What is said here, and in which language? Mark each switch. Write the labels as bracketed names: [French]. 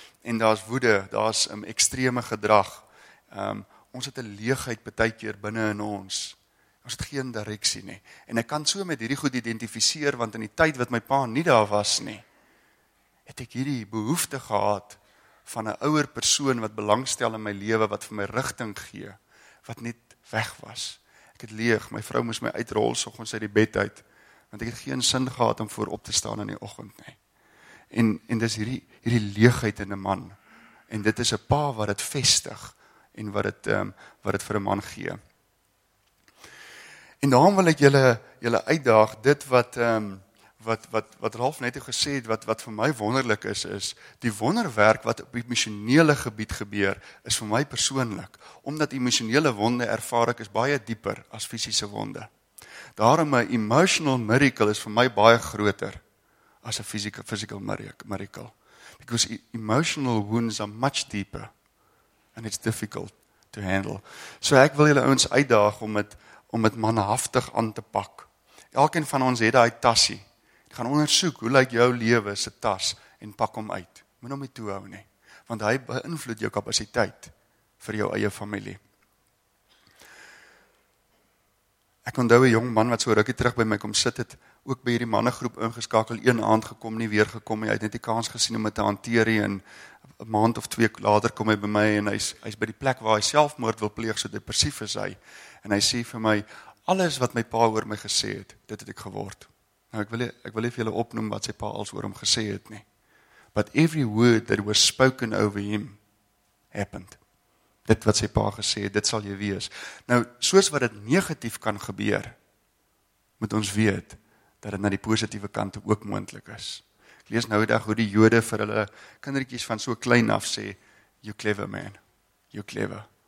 [Afrikaans] En daar's woede, daar's 'n extreme gedrag. Ons het 'n leegheid baie keer binne in ons. Ons het geen direksie nie. En ek kan so met hierdie goed identifiseer, want in die tyd wat my pa nie daar was nie, het ek hierdie behoefte gehad van 'n ouer persoon wat belangstel in my lewe, wat vir my rigting gee, wat net weg was. Ek het leeg, my vrou moes my uitrol, soggens uit die bed uit, want ek het geen sin gehad om voor op te staan in die oggend nie. En dis hierdie leegheid in 'n man. En dit is 'n pa wat dit vestig, en wat dit vir 'n man gee. En daarom wil ek julle uitdaag, dit wat Ralf net gesê het, wat vir my wonderlik is, is die wonderwerk wat op die emosionele gebied gebeur, is vir my persoonlik, omdat emosionele wonde ervaar ek is baie dieper as fisiese wonde. Daarom my [English] emotional miracle [Afrikaans] is vir my baie groter as 'n [English] physical miracle. Because emotional wounds are much deeper and it's difficult to handle. [Afrikaans] So ek wil julle ouens uitdaag om dit manhaftig aan te pak. Elkeen van ons het daai tassie. Ek gaan ondersoek hoe lyk jou lewe se tas en pak hom uit. Moenie hom toehou nie, want hy beïnvloed jou kapasiteit vir jou eie familie. Ek onthou 'n jong man wat so rukkie terug by my kom sit het, ook by hierdie mannegroep ingeskakel, een aand gekom, nie weer gekom nie. Hy het net die kans gesien om dit te hanteer en 'n maand of 2 later kom hy by my en hy's by die plek waar hy selfmoord wil pleeg, so depressief is hy. En hy sê vir my, alles wat my pa oor my gesê het, dit het ek geword. Nou ek wil vir julle opnoem wat sy pa als oor hom gesê het nie. [English] But every word that was spoken over him happened. [Afrikaans] Dit wat sy pa gesê het, dit sal jy wees. Nou, soos wat dit negatief kan gebeur, moet ons weet dat dit na die positiewe kant ook moontlik is. Ek lees nou dag hoe die Jode vir hulle kindertjies van so klein af sê, [English] you clever man, you clever.